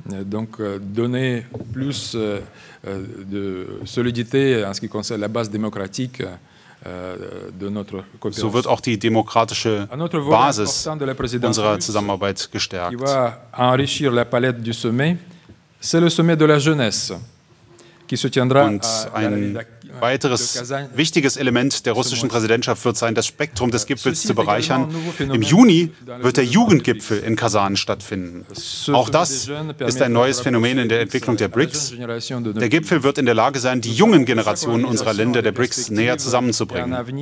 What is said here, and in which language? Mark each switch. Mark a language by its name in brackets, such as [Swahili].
[French] Donc donner plus de solidité en ce qui concerne la base démocratique de notre coopération. [German] So wird auch die demokratische Basis unserer Zusammenarbeit gestärkt. [French] Qui va enrichir la palette du sommet, c'est le sommet de la jeunesse qui se tiendra. [German] Und ein weiteres wichtiges Element der russischen Präsidentschaft wird sein, das Spektrum des Gipfels zu bereichern. Im Juni wird der Jugendgipfel in Kasan stattfinden. Auch das ist ein neues Phänomen in der Entwicklung der BRICS. Der Gipfel wird in der Lage sein, die jungen Generationen unserer Länder der BRICS näher zusammenzubringen.